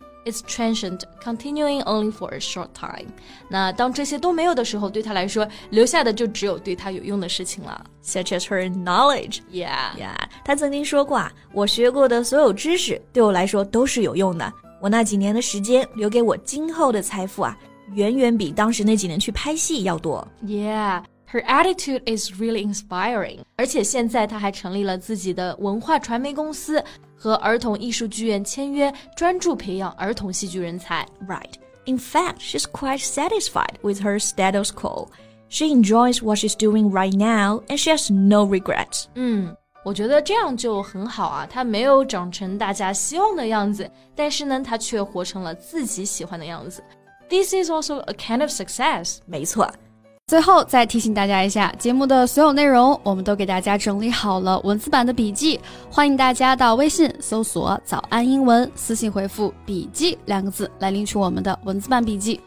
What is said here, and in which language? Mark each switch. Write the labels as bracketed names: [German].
[English] It's transient, continuing only for a short time. [Chinese] 那当这些都没有的时候，对他来说，留下的就只有对他有用的事情了。 [English] Such as her knowledge. Yeah. Yeah. [Chinese] 他曾经说过啊，我学过的所有知识对我来说都是有用的。我那几年的时间留给我今后的财富啊，远远比当时那几年去拍戏要多。 [English] Yeah. Her attitude is really inspiring. [Chinese] 而且现在他还成立了自己的文化传媒公司。和儿童艺术剧院签约，专注培养儿童戏剧人才。 [English] Right. In fact, she's quite satisfied with her status quo. She enjoys what she's doing right now, and she has no regrets. [Chinese] 嗯，我觉得这样就很好啊。她没有长成大家希望的样子，但是呢，她却活成了自己喜欢的样子。 [English] This is also a kind of success. [Chinese] 没错。最后再提醒大家一下，节目的所有内容我们都给大家整理好了文字版的笔记，欢迎大家到微信搜索早安英文，私信回复笔记两个字来领取我们的文字版笔记。